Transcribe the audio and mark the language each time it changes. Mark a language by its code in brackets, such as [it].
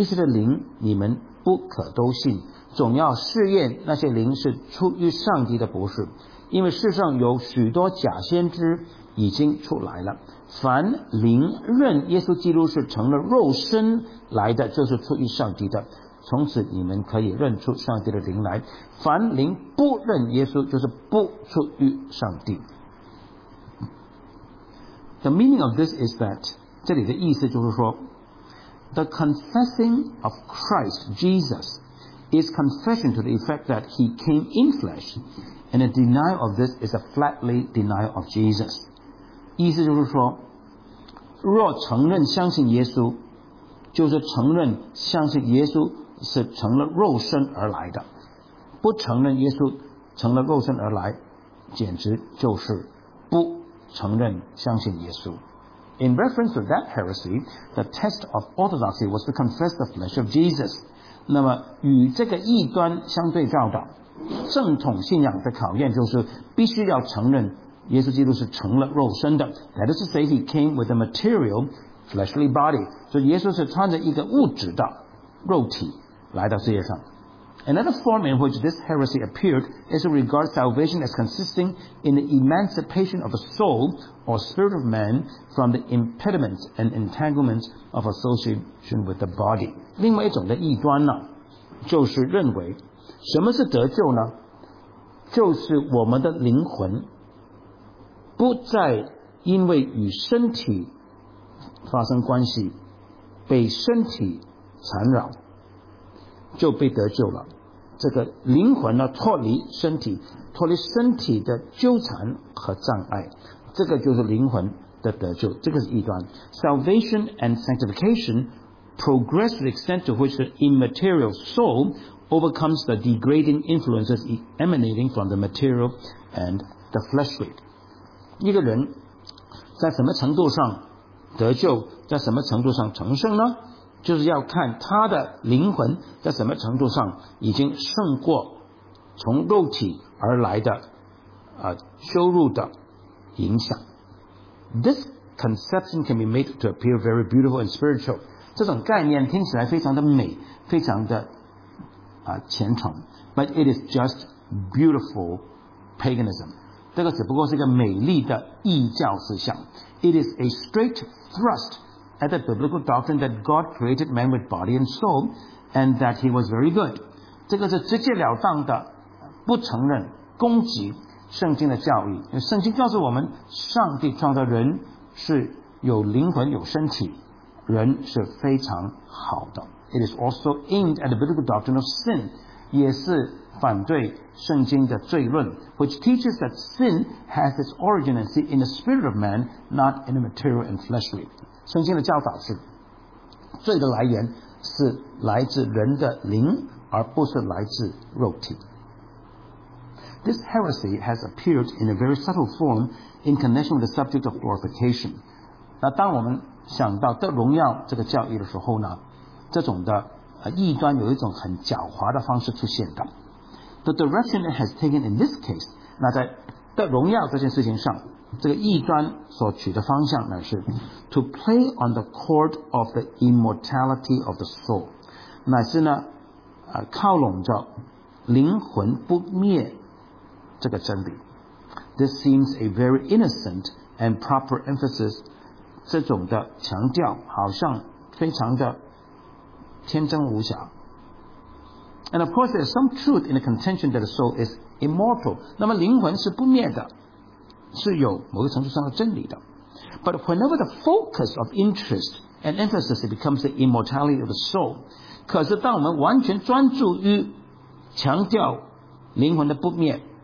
[zh] 约翰一书第四章亲爱的弟兄啊，一切的灵你们不可都信 总要试验那些灵是出于上帝的不是，因为世上有许多假先知已经出来了。凡灵认耶稣基督是成了肉身来的，就是出于上帝的。从此你们可以认出上帝的灵来。凡灵不认耶稣，就是不出于上帝。 [en] The meaning of this is that [zh] 这里的意思就是说 [en] The confessing of Christ Jesus is confession to the effect that he came in flesh, and a denial of this is a flatly denial of Jesus. [zh] 意思就是说，若承认相信耶稣，就是承认相信耶稣是成了肉身而来的。不承认耶稣成了肉身而来，简直就是不承认相信耶稣。 [en] In reference to that heresy, the test of orthodoxy was to confess the flesh of Jesus. [zh] 那么与这个异端相对照的正统信仰的考验，就是必须要承认耶稣基督是成了肉身的。 [en] That is to say, he came with a material fleshly body. [zh] 所以耶稣是穿着一个物质的肉体来到世界上。 [en] Another form in which this heresy appeared is to regard salvation as consisting in the emancipation of a soul or spirit of man from the impediments and entanglements of association with the body. [zh] 另外一种的异端呢，就是认为什么是得救呢？就是我们的灵魂不再因为与身体发生关系，被身体缠绕就被得救了。这个灵魂呢，脱离身体，脱离身体的纠缠和障碍，这个就是灵魂的得救。这个是异端。 [en] Salvation and sanctification progress to the extent to which the immaterial soul overcomes the degrading influences emanating from the material and the fleshly. [zh] 一个人在什么程度上得救，在什么程度上成圣呢？就是要看他的灵魂在什么程度上已经胜过从肉体而来的羞辱的影响。 [en] This conception can be made to appear very beautiful and spiritual. [zh] 这种概念听起来非常的美，非常的虔诚。 [en] But it is just beautiful paganism. [zh] 这个只不过是一个美丽的异教思想。 [en] It is a straight thrust at the biblical doctrine that God created man with body and soul, and that he was very good. [zh] 这个是直截了当的不承认攻击圣经的教义。圣经告诉我们，上帝创造人是有灵魂有身体，人是非常好的。 [en] It is also aimed at the biblical doctrine of sin, [zh] 也是反对圣经的罪论， [en] which teaches that sin has its origin and seat in the spirit of man, not in the material and fleshly. [zh] 圣经的教导是罪的来源是来自人的灵，而不是来自肉体。 [en] This heresy has appeared in a very subtle form in connection with the subject of glorification. [zh] 那当我们想到得荣耀这个教义的时候呢，这种的异端有一种很狡猾的方式出现的。 [en] The direction it has taken in this case, [zh] 那在得荣耀这件事情上，这个异端所取的方向呢，是 [en] to play on the chord of the immortality of the soul, [zh] 乃是呢靠拢着灵魂不灭这个真理。 [en] This seems a very innocent and proper emphasis, [zh] 这种的强调好像非常的天真无瑕。 [en] And of course, there is some truth in the contention that the soul is immortal. [zh] 那么灵魂是不灭的，是有某个程度上的真理的。 [en] But whenever the focus of interest and emphasis becomes the immortality of the soul, [zh] 可是当我们完全专注于强调灵魂的不灭，